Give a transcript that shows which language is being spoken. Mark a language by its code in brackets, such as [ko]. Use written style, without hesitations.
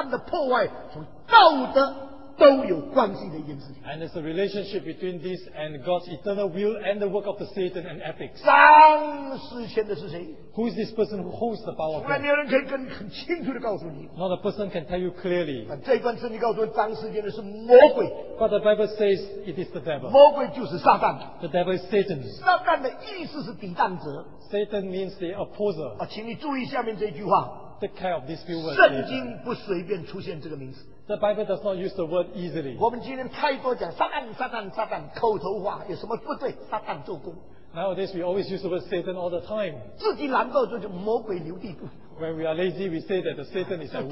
[zh] 这是以神永世的计划，从撒旦的破坏，从道德。 [en] And there's a relationship between this and God's eternal will and the work of the Satan and ethics. [zh] 掌死权的是谁? [en] Who is this person who holds the power of God? Not a person can tell you clearly. But the Bible says it is the devil. The devil is Satan. Satan means the opposer. Take care of these few words. The Bible does not use the word easily. [zh] 我们今天太多讲撒旦，撒旦，撒旦，口头话有什么不对？撒旦做工。 [en] Nowadays we always use the word Satan all the time. [zh] 自己懒惰就魔鬼留地步。 [en] When we are lazy, we say that the Satan is at work.